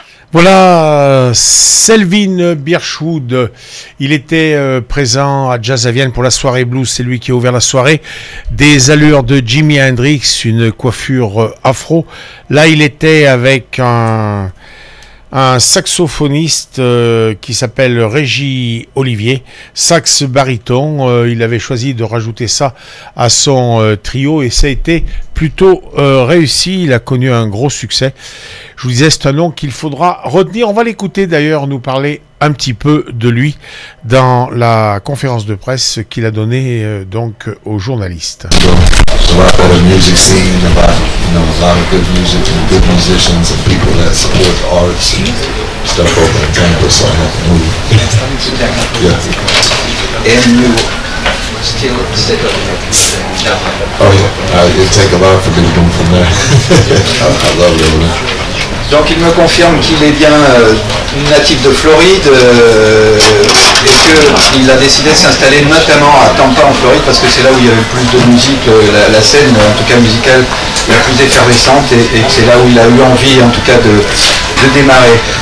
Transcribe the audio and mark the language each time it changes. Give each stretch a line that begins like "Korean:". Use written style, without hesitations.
French: Voilà, Selvin Birchwood, il était présent à Jazz à Vienne pour la soirée blues, c'est lui qui a ouvert la soirée, des allures de Jimi Hendrix, une coiffure afro, là il était avec un saxophoniste qui s'appelle Régis Olivier, sax baryton, il avait choisi de rajouter ça à son trio et ça a été plutôt réussi, il a connu un gros succès. Je vous disais, c'est un nom qu'il faudra retenir. On va l'écouter d'ailleurs nous parler un petit peu de lui dans la conférence de presse qu'il a donnée donc aux journalistes.
English: So about the music scene, about, you know, a lot of good music and good musicians and people that support the arts and stuff over in Tampa, so I have to move. Yes, let me sit down. Yeah. And you still sit up there. Oh, yeah. It'd take a lot for me to come from there. I love it over there.
French: Donc il me confirme qu'il est bien natif de Floride et qu'il a décidé de s'installer notamment à Tampa en Floride parce que c'est là où il y a le plus de musique, la scène en tout cas musicale la plus effervescente et c'est là où il a eu envie en tout cas de démarrer.